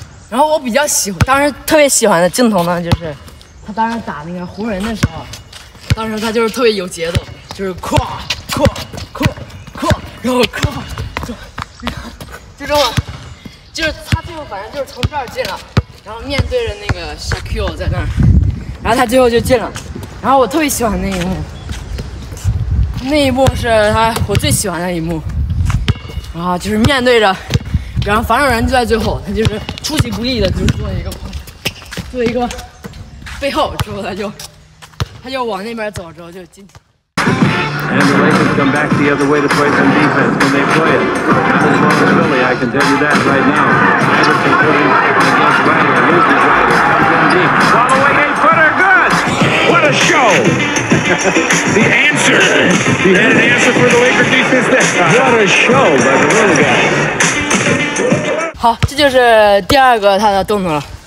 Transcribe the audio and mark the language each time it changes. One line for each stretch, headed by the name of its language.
Chinese: 然后我比较喜欢，当时特别喜欢的镜头呢，就是他当时打那个湖人的时候，当时他就是特别有节奏，就是跨跨跨跨，然后跨，就这么，就是他最后反正就是从这儿进了，然后面对着那个 Shaquille 在那儿，然后他最后就进了，然后我特别喜欢那一幕是他我最喜欢的一幕，然后就是面对着。然后防守人就在最后，他就是出其不意的，就是做一个背后之后，他就往那边走之后就进。
English: And the Lakers come back the other way to play some defense when they play it. Not as long as Philly, I can tell you that right now. Iverson putting against Ryder, loses Ryder, comes in deep. All the way, 8-footer, good! What a show! The answer! He had an answer for the Lakers defense that time. What a show by the little guy.
Chinese: 好，这就是第二个他的动作了。